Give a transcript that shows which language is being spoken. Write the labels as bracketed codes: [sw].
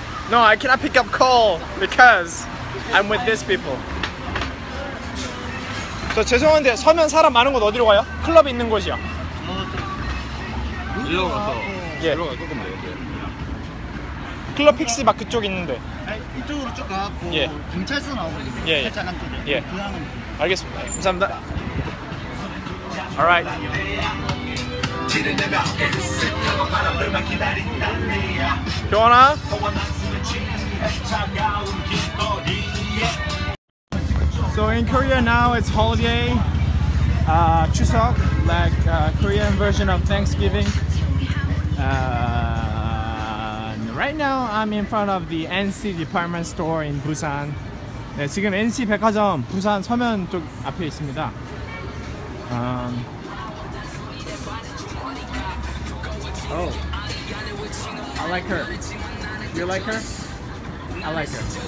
[en] No, I cannot pick up call because I'm with these people. [ko] 저 죄송한데 서면 사람 많은 곳 어디로 가요? 클럽 있는 곳이요. 일로 가서. 예. 조금 클럽 픽시 막 그쪽 있는데. 아니, 이쪽으로 쭉 가고 예. 경찰서 나오거든요. 예. 살짝 한쪽에. 예. 그 향은. 알겠습니다. 예. 감사합니다. Alright. 효원아. 효원아. [en] So in Korea now it's holiday. Chuseok, like Korean version of Thanksgiving. Right now, I'm in front of the NC department store in Busan. [ko] 네, 지금 NC 백화점 부산 서면 쪽 앞에 있습니다. [en] Oh, I like her. You like her? I like her.